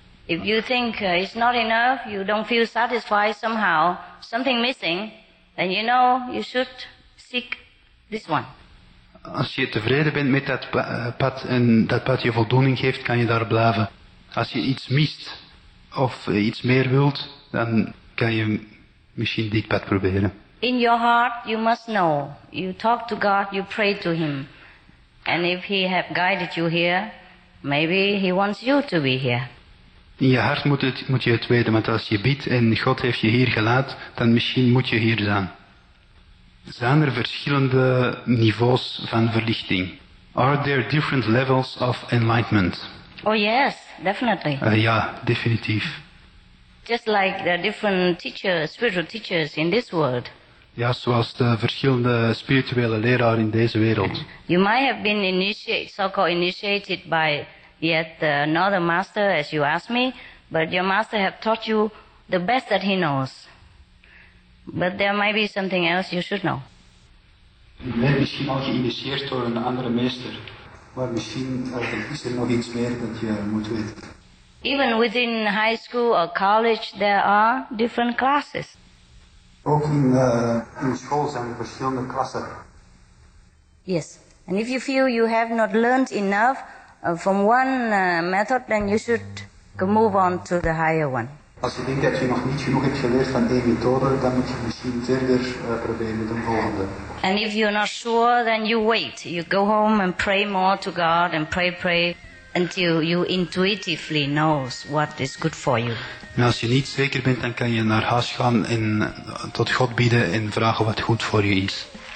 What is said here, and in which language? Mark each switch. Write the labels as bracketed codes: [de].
[en] If you think it's not enough, you don't feel satisfied somehow, something missing, then you know you should seek this one. [nl] Als je tevreden bent met dat pad en dat pad je voldoening geeft, kan je daar blijven. Als je iets mist of iets meer wilt, dan kan je misschien dit pad proberen. [en] In your heart, you must know. You talk to God, you pray to Him. And if He has guided you here, maybe He wants you to be here. [nl] In je hart moet je het weten, want als je bidt en God heeft je hier gelaat, dan misschien moet je hier zijn. Zijn er verschillende niveaus van verlichting? [en] Are there different levels of enlightenment? Oh yes, definitely. [nl] Ja, definitief. [en] Just like the different teachers, spiritual teachers in this world. [nl] Ja, zoals de verschillende spirituele leraar in deze wereld. [en] You might have been initiated by yet another master, as you asked me, but your master have taught you the best that he knows. But there might be something else you should know. [nl] Je bent misschien al geïnitieerd door een andere meester, maar misschien is er nog iets meer dat je moet weten. [en] Even within high school or college, there are different classes. [nl] Ook in school zijn er verschillende klassen. [en] Yes, And if you feel you have not learned enough from one method, then you should move on to the higher one. [nl] Als je denkt dat je nog niet genoeg hebt geleerd van één methode, dan moet je misschien verder proberen met een volgende. [en] And if you're not sure, then you wait. You go home and pray more to God and pray until you intuitively knows what is good for you. [nl] En als je niet zeker bent, dan kan je naar huis gaan en tot God bidden en vragen wat goed voor je is.